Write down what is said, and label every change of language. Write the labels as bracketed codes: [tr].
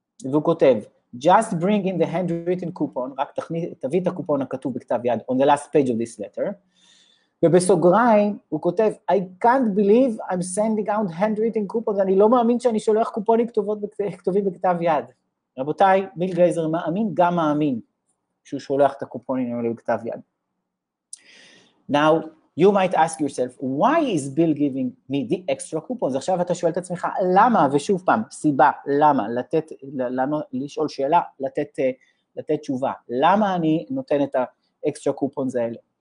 [he] והוא כותב, [en] just bring in the handwritten coupon, [he] רק תביא את הקופון הכתוב בכתב יד, [en] on the last page of this letter, [he] ובסוגריים הוא כותב, [en] I can't believe I'm sending out handwritten coupons, [he] אני לא מאמין שאני שולח קופונים כתובים בכתב יד. רבותיי, ביל גלייזר מאמין, גם מאמין, שהוא שולח את הקופונים האלה בכתב יד. [en] Now, you might ask yourself, why is Bill giving me the extra coupons? [he] עכשיו אתה שואל את עצמך, למה? ושוב פעם, סיבה, למה? לשאול שאלה, לתת תשובה. למה אני נותן את ה-extra coupons האלה?